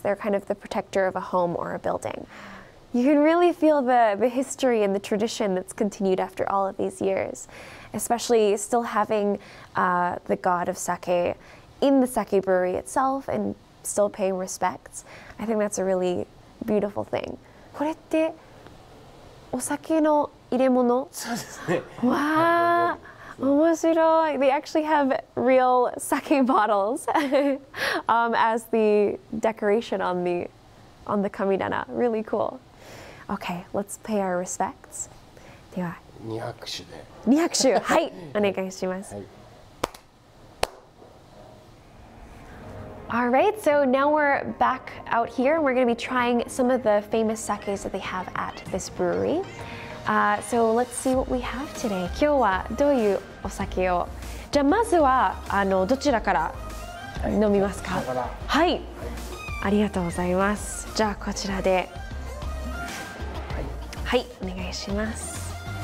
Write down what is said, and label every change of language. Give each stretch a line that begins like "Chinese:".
English: They're kind of the protector of a home or a building. You can really feel the history and the tradition that's continued after all of these years, especially still having the god of sake in the sake brewery itself and still paying respects. I think that's a really beautiful thing.
Japanese: これってお酒の入れ物? そうですね。わあ!Omoshiroi.
English: They actually have real sake bottles as the decoration on the kamidana. Really cool. Okay, let's pay our respects.
Japanese: Dewa. Nihakushu. Hai. Onegai shimasu.
English: All right, so now we're back out here and we're going to be trying some of the famous sakes that they have at this brewery. So let's see what we have today.
Japanese: 今日はどういうお酒を?じゃあまずはあのどちらから飲みますか?はい。ありがとうございます。じゃあこちらで。はい、お願いします。